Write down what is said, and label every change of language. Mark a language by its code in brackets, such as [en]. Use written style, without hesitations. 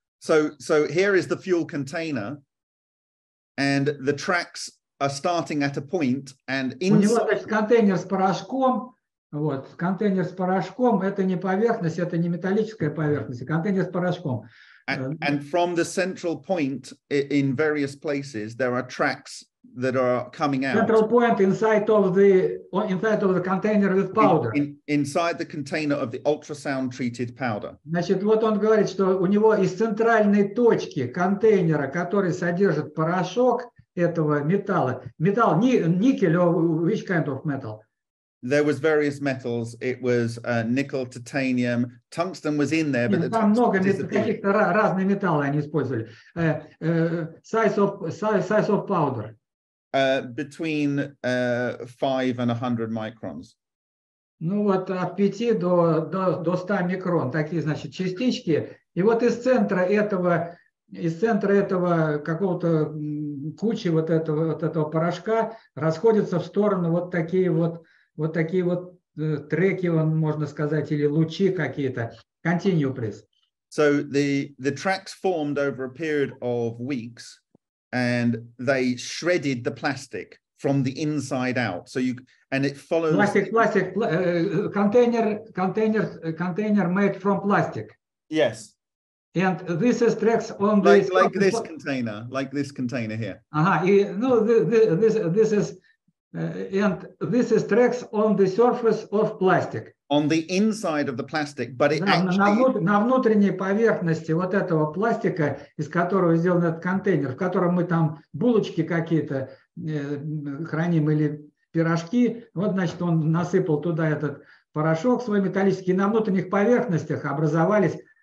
[en] So here is the fuel container, and the tracks are starting at a point, and inside. [ru] У него, значит, контейнер с порошком. Вот, контейнер с порошком, это не поверхность, это не металлическая поверхность, контейнер с порошком. [en] And from the central point in various places, there are tracks that are coming out. Central point inside of the container with powder. Inside the container of the ultrasound treated powder. [ru] Значит, вот он говорит, что у него из центральной точки контейнера, который содержит порошок этого металла, металл, никель, [en] which kind of metal? There was various metals. It was nickel, titanium. Tungsten was in there, but [ru] там много каких-то разные металлы они использовали. [en] Size of powder. Between 5 and 100 microns. [ru] Ну вот от 5 до 100 микрон такие, значит, частички. И вот из центра этого какого-то кучи вот этого порошка расходятся в сторону вот такие треки, можно сказать, или лучи какие-то. [en] Continue, please. So the tracks formed over a period of weeks, and they shredded the plastic from the inside out. So you, and it follows... Plastic, container made from plastic. Yes. And this is tracks on the... Like this container here. Uh-huh. No, this is... and this is tracks on the surface of plastic. On the inside of the plastic, but it actually... [ru] На внутренней поверхности вот этого пластика, из которого сделан этот контейнер, в котором мы там булочки какие-то храним или пирожки, вот, значит, он насыпал туда этот порошок свой металлический, на внутренних поверхностях образовались.